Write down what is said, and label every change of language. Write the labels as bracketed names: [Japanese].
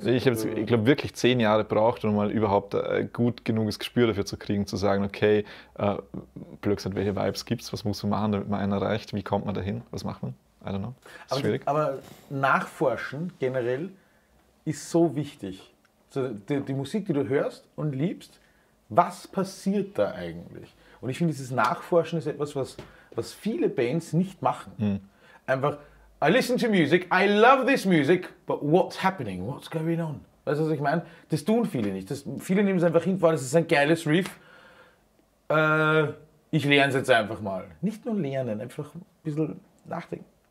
[German] Ich glaube, wirklich 10 Jahre braucht, um mal überhaupt ein gut genuges Gespür dafür zu kriegen, zu sagen, okay, blöd gesagt, welche Vibes gibt's, was muss man machen, damit man einen erreicht, wie kommt man dahin, was macht man? [English] I don't know. [German] Aber nachforschen generell ist so wichtig. Die Musik, die du hörst und liebst, was passiert da eigentlich? Und ich finde, dieses Nachforschen ist etwas, was viele Bands nicht machen. Mhm. [English] Einfach, I listen to music, I love this music, but what's happening? What's going on? [German] Weißt du, was ich meine? Das tun viele nicht. Viele nehmen es einfach hin, weil das ist ein geiles Riff. Ich lerne es jetzt einfach mal. Nicht nur lernen, einfach ein bisschen nachdenken.